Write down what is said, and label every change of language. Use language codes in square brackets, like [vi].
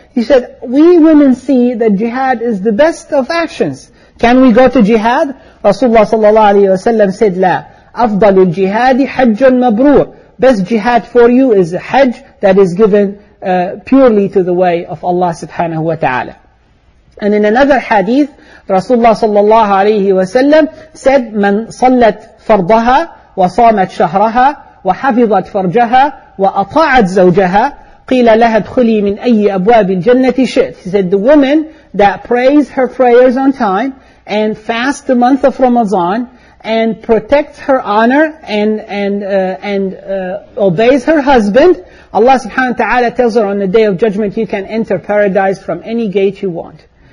[en] He said, we women see that jihad is the best of actions. Can we go to jihad? Rasulullah sallallahu alayhi wa sallam said, [ar] la, afdalul jihadi hajjun mabrur. [en] Best jihad for you is a hajj that is given purely to the way of Allah subhanahu wa ta'ala. And in another hadith, Rasulullah sallallahu alayhi wa sallam said, [ar] من صلت فرضها وصامت شهرها وحفظت فرجها وأطاعت زوجها قيل لها ادخلي من أي أبواب الجنة شئت. [en] He said, the woman that prays her prayers on time and fasts the month of Ramadan and protects her honor and obeys her husband, Allah subhanahu wa ta'ala tells her on the day of judgment, you can enter paradise from any gate you want.